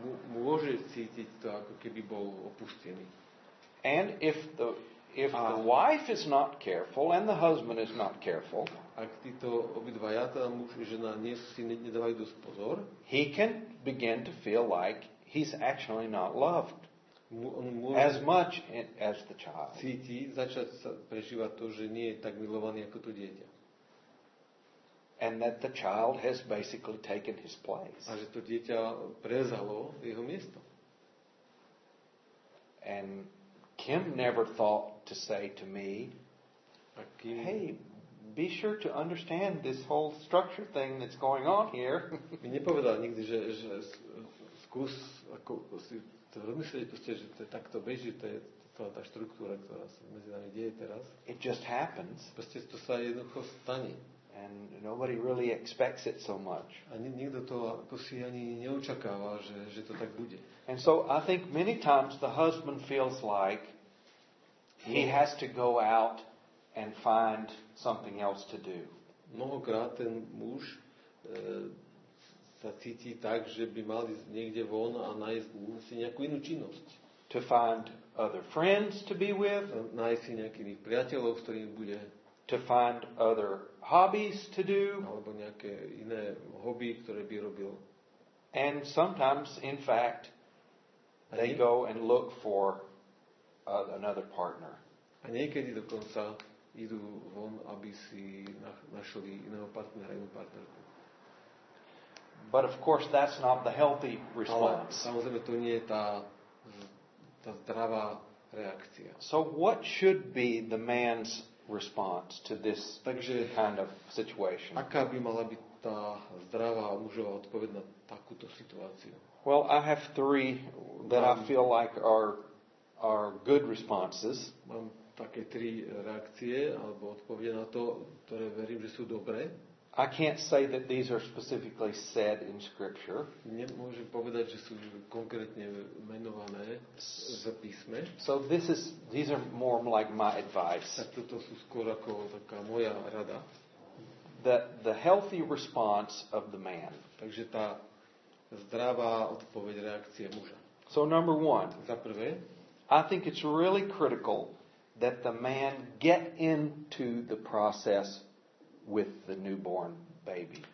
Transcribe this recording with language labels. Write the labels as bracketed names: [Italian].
[Slovak] Môže cítiť to, ako keby bol opustený. [English] And if the wife is not careful and the husband is not careful, [Slovak] ak títo obidvaja, teda muž a žena, nie si nedávajú dosť pozor, [English] he can begin to feel like he's actually not loved as much as the child. [Slovak] Cíti, začať sa prežívať to, že nie je tak milovaný ako to dieťa. [English] And that the child has basically taken his place. [Slovak] A že to dieťa prezalo jeho miesto. [English] And Kim never thought to say to me, hey, be sure to understand this whole structure thing that's going on here. [Slovak] Mi nepovedal nikdy, že skús ako si to rozmyslieť, proste, že to takto beží, to je celá tá štruktúra, ktorá sa medzi nami deje teraz. [English] It just happens. [Slovak] Proste to sa jednoducho stane. [English] And nobody really expects it so much. [Slovak] A nikto to ako si ani neočakáva, že to tak bude. [English] And so I think many times the husband feels like he has to go out and find something else to do. [Slovak] Mnohokrát ten muž sa cíti tak, že by mal ísť niekde von a nájsť si nejakú inú činnosť. [English] To find other friends to be with. [Slovak] Nájsť si nejakých priateľov, s ktorými bude. [English] To find other hobbies to do. [Slovak] Alebo nejaké iné hobby, ktoré by robil. [English] And sometimes, in fact, they go and look for another partner. [Slovak] A niekedy dokonca idú von, aby si našli iného partnera, inú partnerku. [English] But of course, that's not the healthy response. [Slovak] Ale samozrejme, to nie je tá zdravá reakcia. [English] So what should be the man's response to this kind of situation? [Slovak] Aká by mala byť tá zdravá mužová odpoveď na takúto situáciu? [English] Well, I have three that I feel like are good responses. [Slovak] Mám také tri reakcie alebo odpovede na to, ktoré verím, že sú dobré. [English] I can't say that these are specifically said in scripture. [Slovak] Nemôžem povedať, že sú konkrétne menované v písme. [English] So these are more like my advice. [Slovak] Tak toto sú skôr ako taká moja rada. [English] The healthy response of the man. [Slovak] Takže tá zdravá odpoveď reakcie muža. [English] So number one. [Slovak] Za prvé, [English] I think it's really critical that the man get into the process with the newborn baby.